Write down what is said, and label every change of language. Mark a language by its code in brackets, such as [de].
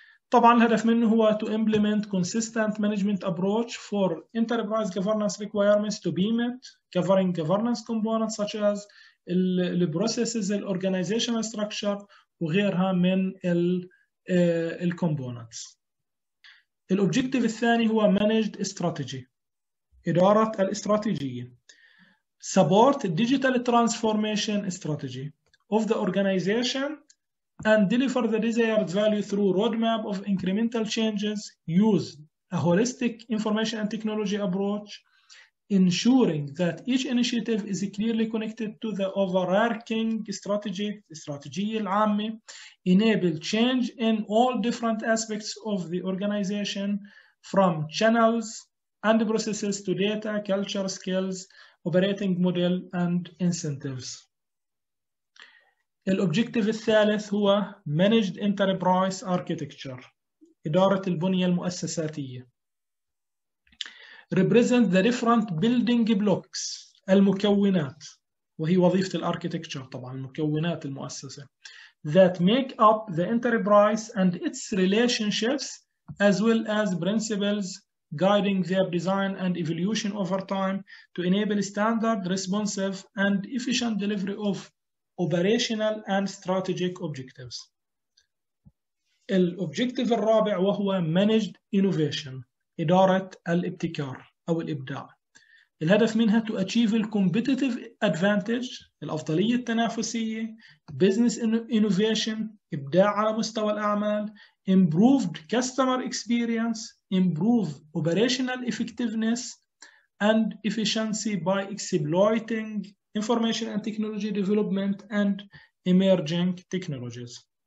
[ar] طبعا الهدف منه هو [en] to implement consistent management approach for enterprise governance requirements to be met, covering governance components such as the processes, the organizational structure [ar] وغيرها من ال [en] components. [ar] الobjective الثاني هو [en] managed strategy, [ar] إدارة الاستراتيجية. [en] Support digital transformation strategy of the organization and deliver the desired value through roadmap of incremental changes, use a holistic information and technology approach, ensuring that each initiative is clearly connected to the overarching strategy, strategy العامة, enable change in all different aspects of the organization from channels and processes to data, culture, skills, operating model and incentives. [ar] الobjective الثالث هو [en] managed enterprise architecture, [ar] إدارة البنية المؤسساتية. [en] Represent the different building blocks, [ar] المكونات, وهي وظيفة الarchitecture طبعا, المكونات المؤسسة. [en] that make up the enterprise and its relationships, as well as principles guiding their design and evolution over time to enable standard, responsive, and efficient delivery of operational and strategic objectives. [ar] الأوبجيكتيف الرابع وهو [en] managed innovation, [ar] إدارة الابتكار أو الإبداع. الهدف منها [en] to achieve the competitive advantage, [ar] الأفضلية التنافسية, [en] business innovation, [ar] إبداع على مستوى الأعمال, [en] improved customer experience, improve operational effectiveness and efficiency by exploiting information and technology development and emerging technologies.